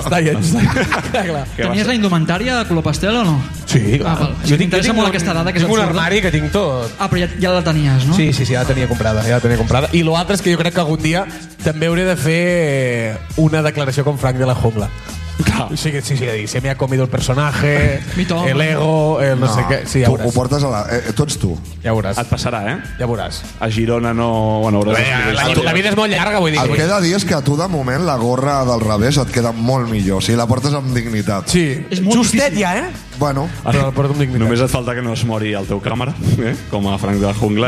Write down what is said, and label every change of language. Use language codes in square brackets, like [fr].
[ca] Els tallets. Tenies la indumentària de color pastel o no? Sí, clar. M'interessa molt aquesta dada. Tinc un armari que tinc tot. Ah, però ja la tenies, no? Sí, ja la tenia comprada. I l'altre és que jo crec que algun dia també hauré de fer una declaració com Frank de la Jungla. Clar. [es] Sí, se me ha comido el personaje, el ego, el no sé què. [ca] Sí, ja ho portes a la... tu ets tu. Ja veuràs. Et passarà, eh? Ja veuràs. A Girona no... Bueno, la vida és molt llarga, vull dir. El que he de dir és que a tu, de moment, la gorra del revés et queda molt millor. O sigui, la portes amb dignitat. Sí. És molt justet, difícil. Ja, eh? Bueno, però la porto amb dignitat. Només et falta que no es mori el teu càmera, com a Frank de la Jungla.